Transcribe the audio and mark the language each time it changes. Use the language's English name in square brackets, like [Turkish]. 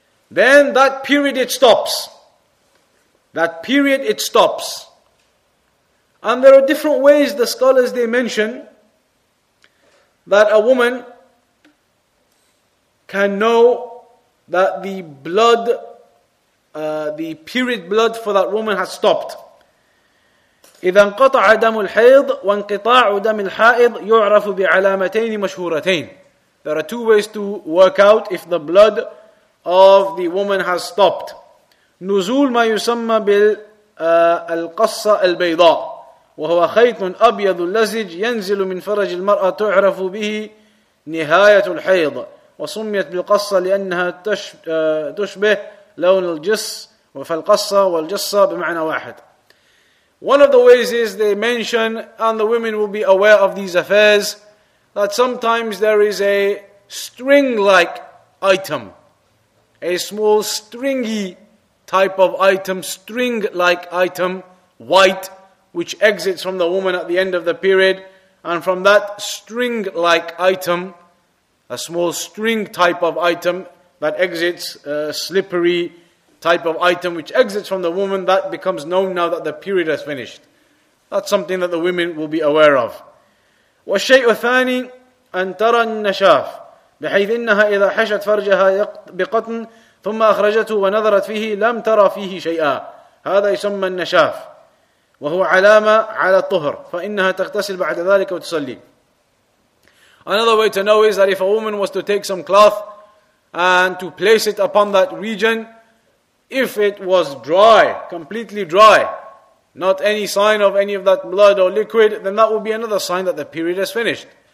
[English] Then that period, it stops. That period, it stops. And there are different ways the scholars, they mention that a woman can know that the blood, the period blood for that woman has stopped. [Arabic] إذا انقطع دم الحيض وانقطاع دم الحائض يعرف بعلامتين مشهورتين. [English] There are two ways to work out if the blood of the woman has stopped. [Arabic] نزول ما يسمى بالقصة البيضاء وهو خيط أبيض لزج ينزل من فرج المرأة تعرف به نهاية الحيض وسميت بالقصة لأنها تشبه لون الجص وفالقصة والجصة بمعنى واحد. [English] One of the ways is they mention, and the women will be aware of these affairs, that sometimes there is a string-like item, a small stringy type of item, string-like item, white, which exits from the woman at the end of the period, and from that string-like item, a small string type of item that exits, a slippery type of item which exits from the woman, that becomes known now that the period has finished. That's something that the women will be aware of. [Arabic] والشيء الثاني أن ترى النشاف بحيث إنها إذا حشت فرجها بقطن ثم أخرجته ونظرت فيه لم ترى فيه شيئا هذا يسمى النشاف وهو علامة على الطهر فإنها تغتسل بعد ذلك وتصلي. [English] Another way to know is that if a woman was to take some cloth and to place it upon that region, if it was dry, completely dry, not any sign of any of that blood or liquid, then that would be another sign that the period has finished.